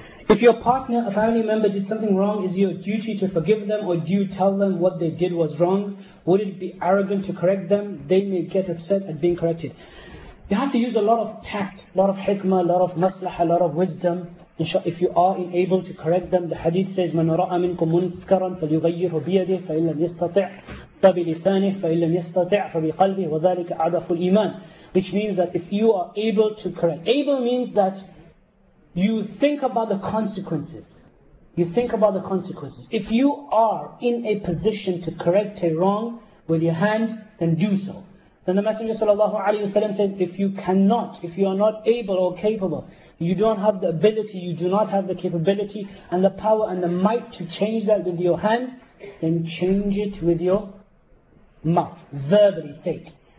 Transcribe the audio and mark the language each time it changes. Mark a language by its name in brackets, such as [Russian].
[English] If your partner, a family member, did something wrong, is your duty to forgive them, or do you tell them what they did was wrong? Would it be arrogant to correct them? They may get upset at being corrected. You have to use a lot of tact, a lot of hikmah, a lot of maslaha, a lot of wisdom. If you are able to correct them, the hadith says, [Arabic] مَنْ رَأَى مِنْكُمْ مُنْكَرًا فَلْيُغَيِّرْهُ بِيَدِهِ فَإِنْ لَمْ يَسْتَطِعْ فَبِلِسَانِهِ فَإِنْ لَمْ يَسْتَطِعْ فَبِقَلْبِهِ وَذَلِكَ أَعْدَفُ الْإِيمَانِ. [English] Which means that if you are able to correct, able means that you think about the consequences. You think about the consequences. If you are in a position to correct a wrong with your hand, then do so. Then the Messenger sallallahu alaihi wasallam says, if you cannot, if you are not able or capable, you don't have the ability, you do not have the capability and the power and the might to change that with your hand, then change it with your mouth, verbally state.